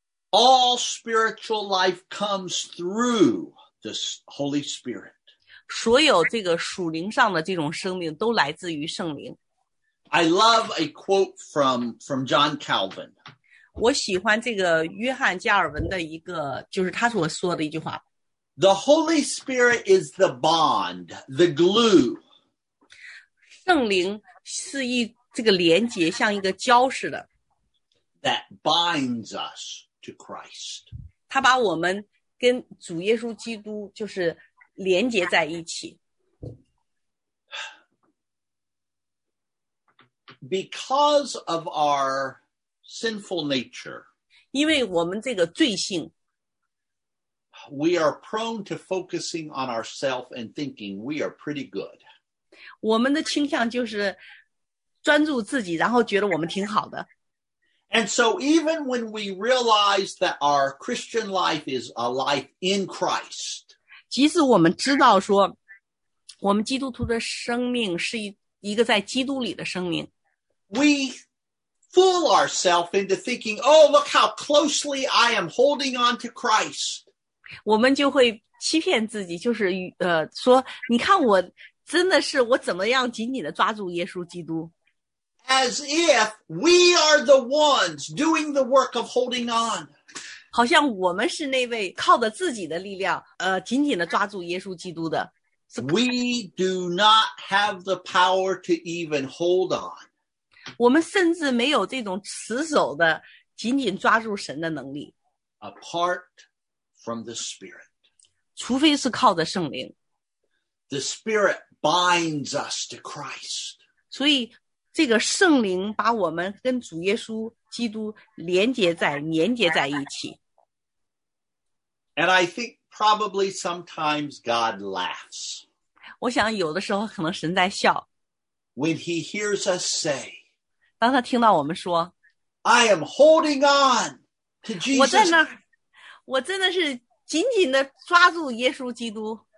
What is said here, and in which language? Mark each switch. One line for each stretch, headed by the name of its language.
English: All spiritual life comes through the Holy Spirit.
Chinese: 所有这个属灵上的这种生命都来自于圣灵。
English: I love a quote from John Calvin.
Chinese: 我喜欢这个约翰加尔文的一个就是他所说的一句话。
English: The Holy Spirit is the bond, the glue.
Chinese: 圣灵是一这个连结像一个胶似的。
English: That binds us to Christ.
Chinese: 他把我们跟主耶稣基督就是连结在一起。
English: Because of our sinful nature,
Chinese: 因为我们这个罪性
English: we are prone to focusing on ourselves and thinking we are pretty good.
Chinese: 我们的倾向就是专注自己，然后觉得我们挺好的。
English: And so even when we realize that our Christian life is a life in Christ,
Chinese: 即使我们知道说我们基督徒的生命是一个在基督里的生命，
English: we fool ourselves into thinking, oh, look how closely I am holding on to Christ.
Chinese: 我们就会欺骗自己，就是说你看我真的是我怎么样紧紧的抓住耶稣基督。
English: As if we are the ones doing the work of holding on.
Chinese: 好像我们是那位靠着自己的力量紧紧地抓住耶稣基督的。
English: We do not have the power to even hold on.
Chinese: 我们甚至没有这种持守的紧紧抓住神的能力。
English: Apart from the Spirit.
Chinese: 除非是靠着圣灵。
English: The Spirit binds us to Christ.
Chinese: 所以这个圣灵把我们跟主耶稣基督连接在连接在一起。
English: And I think probably sometimes God laughs.
Chinese: 我想有的时候可能神在笑。
English: When he hears us say,
Chinese: 当他听到我们说
English: I am holding on to Jesus.
Chinese: 我在那儿，我真的是紧紧地抓住耶稣基督。